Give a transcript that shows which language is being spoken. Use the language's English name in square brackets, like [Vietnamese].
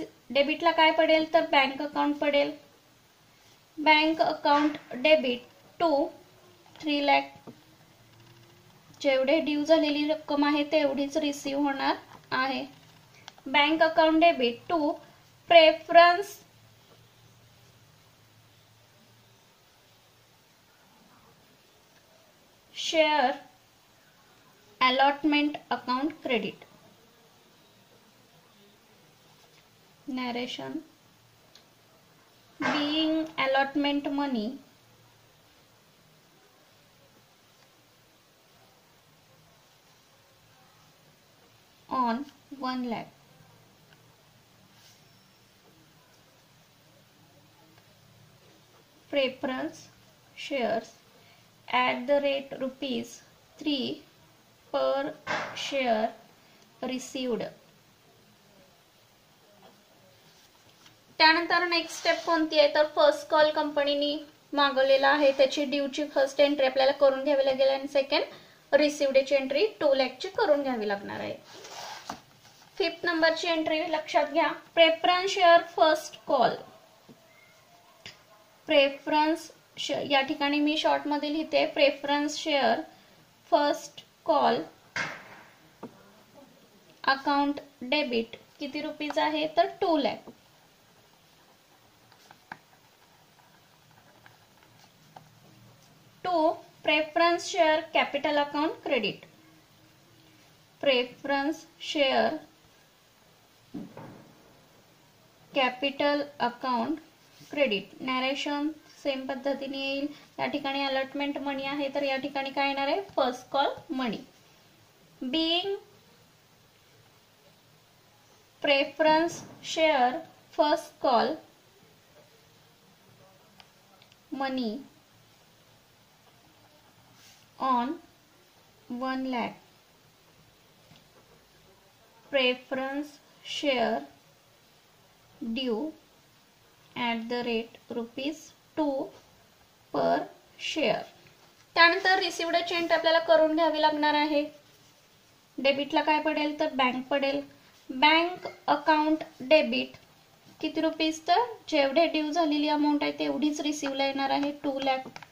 [Marathi] Debit ला काय पडेल तर बँक अकाउंट पडेल. [English] bank account debit to 3 lakh [Marathi] जेवढे ड्यू झालेली रक्कम आहे तेवढीच रिसीव होणार आहे. [English] Bank account debit to preference share allotment account credit. Narration being allotment money on 1 lakh preference shares at the rate rupees 3 per share received. [Marathi] त्यानंतर next step कोणती आहे तर फर्स्ट कॉल कंपनीनी मागवलेला आहे त्याची ड्यूची फर्स्ट एंट्री आपल्याला करून घ्यावी लागेल आणि सेकंड रिसिव्हडची एंट्री 2 लाखची करून घ्यावी लागणार आहे. फिफ्थ नंबरची एंट्री लक्षात घ्या. Preference share first call. Preference या ठिकाणी मी शॉर्टमध्ये लिहिते [English] preference share first call account debit [Marathi] किती रुपीज आहे तर 2 lakh. [English] To preference share capital account credit. Preference share capital account credit. [Marathi] Narration same पद्धतीने येईल. या ठिकाणी अलॉटमेंट मनी आहे तर या ठिकाणी काय येणार आहे first call money. [English] Being preference share first call money on 1 lakh preference share due at the rate rupees 2 per share. [Marathi] त्यानंतर रिसिव्हड चेंट आपल्याला करून घ्यावी लागणार आहे. डेबिटला काय पडेल तर बँक पडेल. [English] bank account debit [Marathi] किती रुपीज तर जेवढे ड्यू झालेली अमाऊंट आहे तेवढीच रिसिव्हला येणार आहे 2 लाख.